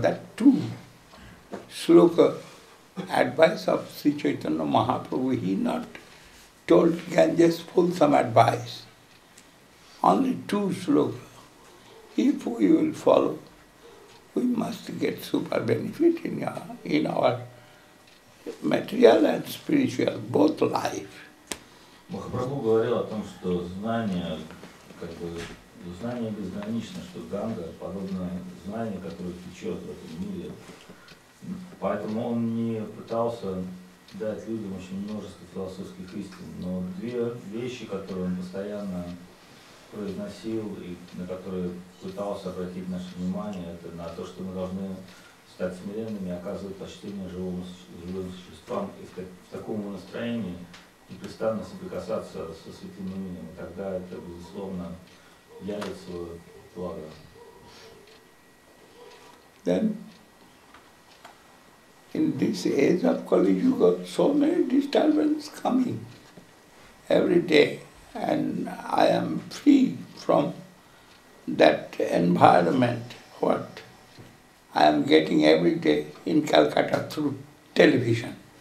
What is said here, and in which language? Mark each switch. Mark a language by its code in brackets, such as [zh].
[en] That too, sloka, advice of Sri Chaitanya Mahaprabhu, he not told Ganges fulsome advice. Only two sloka. If we will follow, we must get super benefit in our material and spiritual, both life. [ru] Махапрабху говорил о том, что знание безгранично, что Ганга подобно знание, которое течет в этом мире. Поэтому он не пытался дать людям очень множество философских истин. Но две вещи, которые он постоянно произносил и на которые пытался обратить наше внимание, это на то, что мы должны стать смиренными, оказывать почтение живым существам и в таком настроении непрестанно соприкасаться со святым именем, тогда это, безусловно, явит свое благо. [en] Then, in this age of Kali Yuga, so many disturbances coming every day, and I am free from that environment, what I am getting every day in Calcutta through television.